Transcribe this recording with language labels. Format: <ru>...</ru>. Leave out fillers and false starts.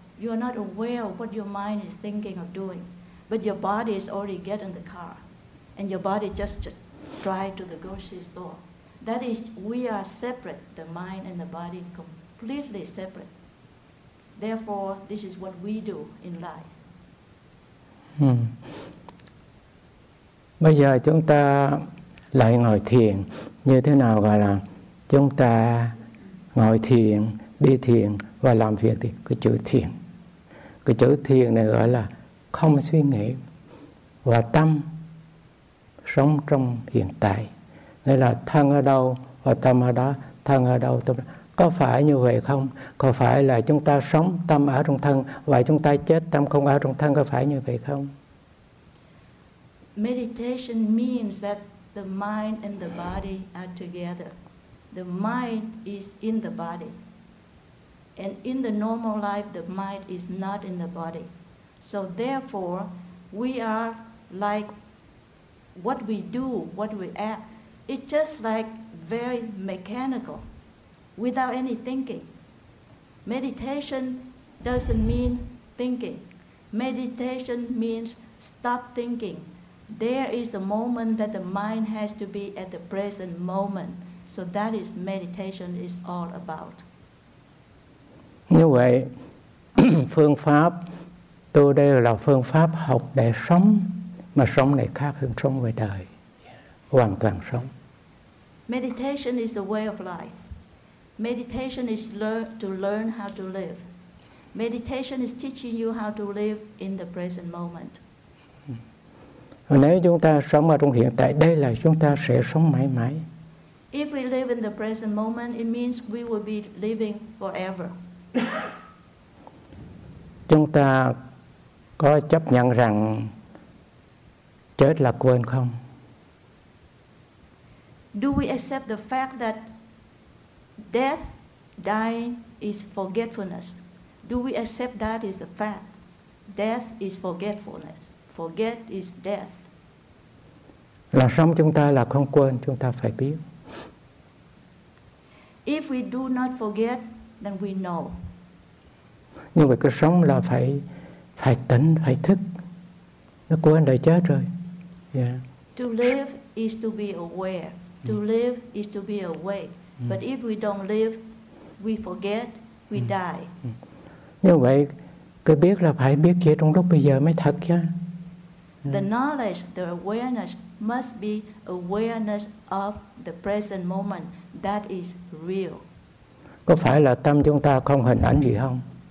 <en>You are not aware of what your mind is thinking of doing. But your body is already getting in the car. And your body just drive to the grocery store. That is, we are separate, the mind and the body, completely separate. Therefore, this is what we do in life.</en> <vi>Bây giờ chúng ta lại ngồi thiền. Như thế nào gọi là chúng ta ngồi thiền, đi thiền và làm việc thì cái chữ thiền. Cái chữ thiền này gọi là không suy nghĩ và tâm sống trong hiện tại. Nghĩa là thân ở đâu và tâm ở đó, thân ở đâu, tâm ở đó. Có phải như vậy không? Có phải là chúng ta sống tâm ở trong thân và chúng ta chết tâm không ở trong thân, có phải như vậy không?</vi> <en>Meditation means that the mind and the body are together. The mind is in the body. And in the normal life, the mind is not in the body. So therefore, we are like what we do, what we act. It's just like very mechanical, without any thinking. Meditation doesn't mean thinking. Meditation means stop thinking. There is a moment that the mind has to be at the present moment. So that is meditation is all about.</en> <vi>Như vậy, phương pháp, tôi đây là phương pháp học để sống, mà sống này khác hơn sống về đời, hoàn toàn sống.</vi> <en>Meditation is a way of life. Meditation is to learn how to live. Meditation is teaching you how to live in the present moment.</en> <vi>Nếu chúng ta sống ở trong hiện tại, đây là chúng ta sẽ sống mãi mãi.</vi> <en>If we live in the present moment, it means we will be living forever.</en> <vi>Chúng ta có chấp nhận rằng chết là quên không?</vi> <en>Do we accept the fact that death, dying, is forgetfulness? Do we accept that is a fact? Death is forgetfulness. Forget is death.</en> <vi>Là sống chúng ta là không quên, chúng ta phải biết.</vi> <en>If we do not forget, then we know.</en> <vi>Nhưng mà cái sống là phải tỉnh, phải thức. Nó quên rồi, chết rồi. Yeah.</vi> <en>To live is to be aware. To live is to be awake. But if we don't live, we forget, we die.</en> <vi>Như vậy, cái biết là phải biết kia trong lúc bây giờ mới thật chứ.</vi> <en>The knowledge, the awareness, must be awareness of the present moment. That is real.</en> <vi>Có phải là tâm chúng ta không hình ảnh gì không?</vi>